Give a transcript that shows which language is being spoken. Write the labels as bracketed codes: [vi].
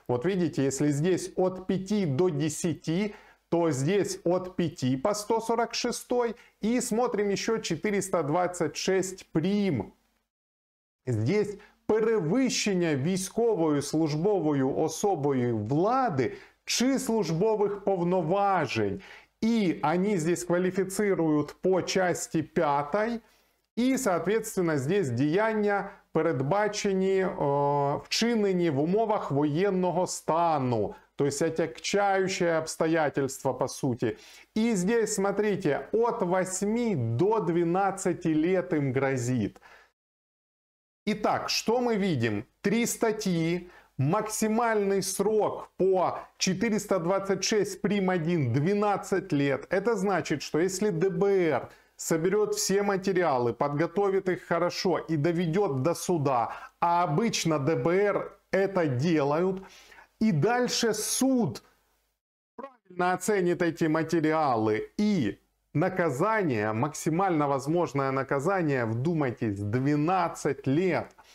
[ru] Вот видите, если здесь от 5 до 10, то здесь от 5 по 146, и смотрим еще 426 прим. [uk] Здесь перевищення військовою службовою особою влади чи службових повноважень. І вони здесь кваліфікують по часті 5, і, [ru] соответственно, здесь [uk] діяння передбачені, вчинені в умовах воєнного стану, [ru] то есть отягчающие обстоятельства, по сути. И здесь, смотрите, от 8 до 12 лет им грозит. Итак, что мы видим? Три статьи, максимальный срок по 426 прим. 1 – 12 лет. Это значит, что если ДБР соберет все материалы, подготовит их хорошо и доведет до суда, а обычно ДБР это делают, и дальше суд правильно оценит эти материалы и наказание, максимально возможное наказание, вдумайтесь, 12 лет.